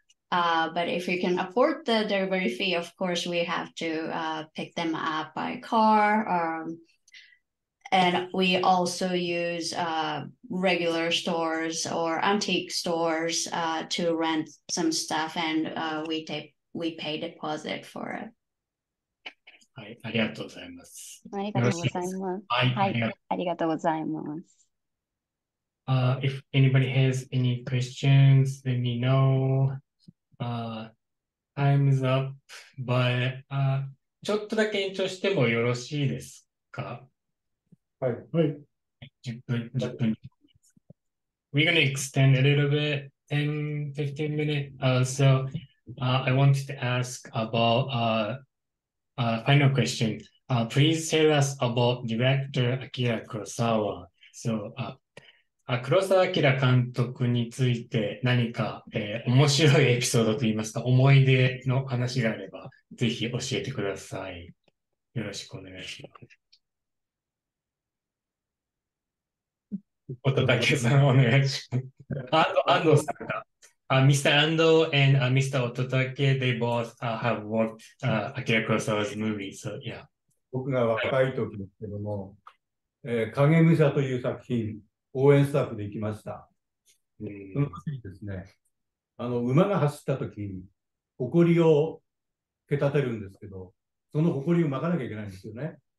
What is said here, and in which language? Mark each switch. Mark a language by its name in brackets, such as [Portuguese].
[English] But if you can afford the delivery fee, of course, we have to pick them up by car. And we also use regular stores or antique stores to rent some stuff, and we pay deposit for it. [Japanese] はい、ありがとうございます。ありがとうございます。はい、はい、ありがとうございます。 [English] If anybody has any questions, let me know. Time's up, but [Japanese] ちょっとだけ延長してもよろしいですか？はい、 10分。 [English] We're going to extend a little bit, 10, 15 minutes. I wanted to ask about final question. Please tell us about director Akira Kurosawa. [Japanese] So, Kurosawa Akira 監督について何か、面白いエピソードといいますか、思い出の話があれば、ぜひ教えてください。よろしくお願いします。 [English] Ototake san, Ando-san. Mr. Ando and Mr. Ototake, they both have worked Akira Kurosawa's movie, so yeah. [Japanese] 僕が若い時ですけども、影武者という作品、応援スタッフで行きました。その時にですね、あの馬が走った時に、埃を蹴立てるんですけど、その埃を撒かなきゃいけないんですよね。